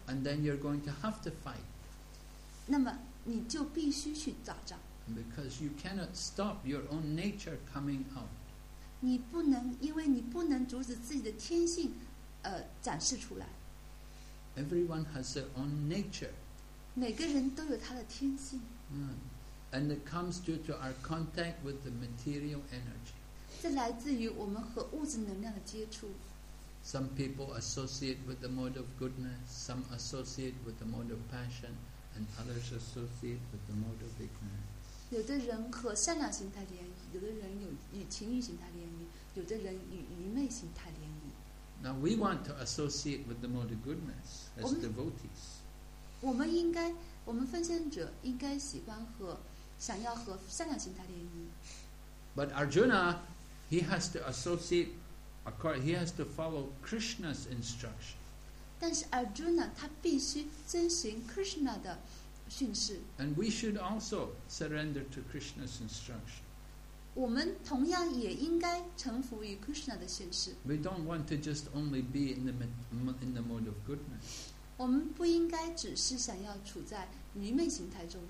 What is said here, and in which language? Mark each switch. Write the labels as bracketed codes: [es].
[en] And then you're going to have to fight. [zh] 那么你就必须去打仗。 [en] Because you cannot stop your own nature coming out. [zh] 你不能，因为你不能阻止自己的天性，展示出来。 [en] Everyone has their own nature. [zh] 每个人都有他的天性。 [en] And it comes due to our contact with the material energy. [zh] 这来自于我们和物质能量的接触。 [en] Some people associate with the mode of goodness, some associate with the mode of passion, and others associate with the mode of ignorance. [zh] 有的人和善良心态联谊，有的人与情欲心态联谊，有的人与愚昧心态联谊。 [en] Now we want to associate with the mode of goodness as devotees. [zh] 我们应该，我们奉献者应该喜欢和，想要和善良心态联谊。 [en] But Arjuna, he has to associate. He has to follow Krishna's instruction. [zh] 但是 Arjuna 他必须遵循 Krishna 的训示。 [en] And we should also surrender to Krishna's instruction. [zh] 我们同样也应该臣服于 Krishna 的训示。 [en] We don't want to just only be in the mode of goodness. [zh] 我们不应该只是想要处在愚昧形态中。